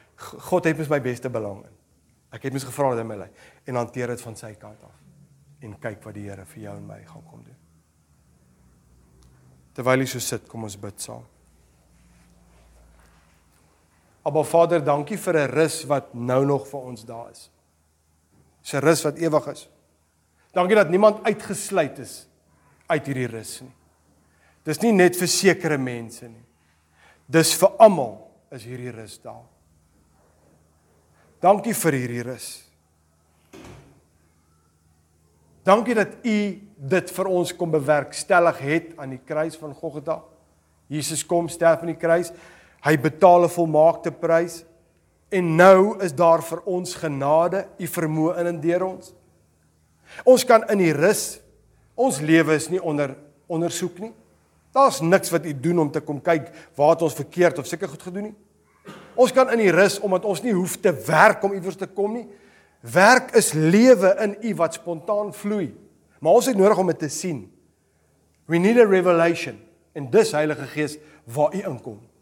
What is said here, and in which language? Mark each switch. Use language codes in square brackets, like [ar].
[af] God het mis my beste belang in. Ek het mis gevra dat hy my lei. En hanteer dit van sy kant af. En kyk wat die Here vir jou en my gaan kom doen. Terwyl jy so sit, kom ons bid saam. Abba Vader, dankie vir 'n rus wat nou nog vir ons daar is. 'N rus wat ewig is. Dankie dat niemand uitgesluit is uit hierdie rus nie. Dis nie net vir sekere mense nie. Dis vir almal is hierdie rus daar. Dankie vir hierdie rus. Dankie dat U dit vir ons kom bewerkstellig het aan die kruis van Golgotha. Jesus kom sterf aan die kruis. Hy betaal 'n volmaakte prys. En nou is daar vir ons genade, U vermoë in en deur ons. Ons kan in die rus. Ons lewe is nie onder ondersoek nie. Daar's niks wat U doen om te kom kyk waar het ons verkeerd of seker goed gedoen nie. Ons kan in die rus omdat ons nie hoef te werk om iewers te kom nie. Werk is lewe in U wat spontaan vloei. Maar ons het nodig om dit te sien. [en] We need a revelation. [af] En dis Heilige Gees waar U inkom.